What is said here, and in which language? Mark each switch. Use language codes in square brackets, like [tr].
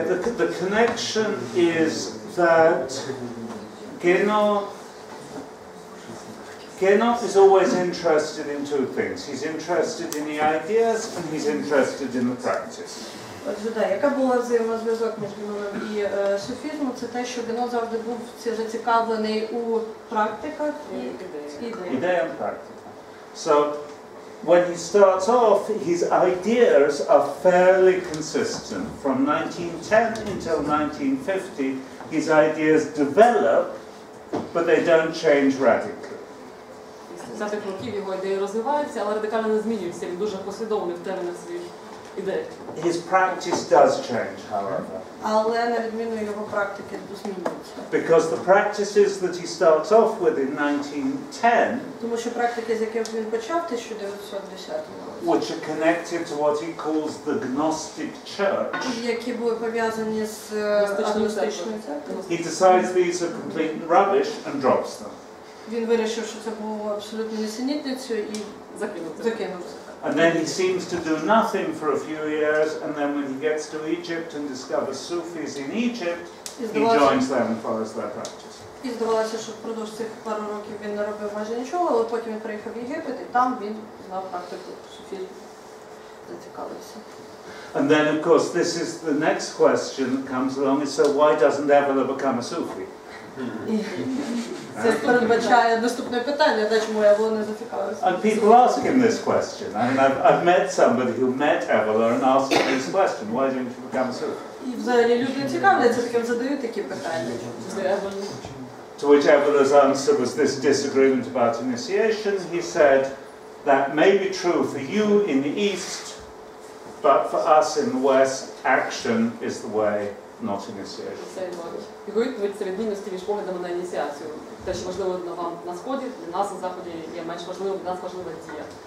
[en] The connection is that Genon is always interested in two things. He's interested in the ideas and he's interested in the practice. [uk] Отже, так, яка була взаємозв'язок між Геноном і суфізмом, це те, що Генон завжди був зацікавлений у практиках і ідеях. Ідея і практика. [en] So, when he starts off, his ideas are fairly consistent. From 1910 until 1950, his ideas develop, but they don't change radically. [uk] З 50-х років його ідеї розвиваються, але радикально не змінюються. Він дуже послідовний в термінах своїх ідей. [en] His practice does change, however. [uk] Але на відміну його практики змінюються. [en] Because the practices that he starts off with in 1910, [uk] тому що практики, з яких він почав, 1910 року, [en] which are connected to what he calls the Gnostic Church, [uk] які були пов'язані з агностичною церквою, [en] he decides these are complete rubbish and drops them. [uk] Він вирішив, що це було абсолютно нісенітницею і закинув. [en] And then he seems to do nothing for a few years, and then when he gets to Egypt and discovers Sufis in Egypt, he joins them and follows their practice. [uk] і здавалося, що впродовж цих пару років він не робив майже нічого, але потім він приїхав в Єгипет, і там він знав практику суфізму, зацікавився. [en] And then, of course, this is the next question that comes along, is, so why doesn't Evola become a Sufi? [uk] Це передбачає наступне питання, де чому Евола не зацікавився. [en] And people ask him this question. I mean, I've met somebody who met Evola and asked him this question, why didn't you become a Sufi? [uk] І взагалі люди цікавляться таким, задають такі питання. [en] To which Evola's answer was this disagreement about initiations. He said, that may be true for you in the East, but for us in the West, action is the way, not initiation. [uk] Його відповідь – це відмінності між поглядами на ініціацію. Те, що важливо вам на Сході, для нас на Заході є менш важливо, для нас важлива дія.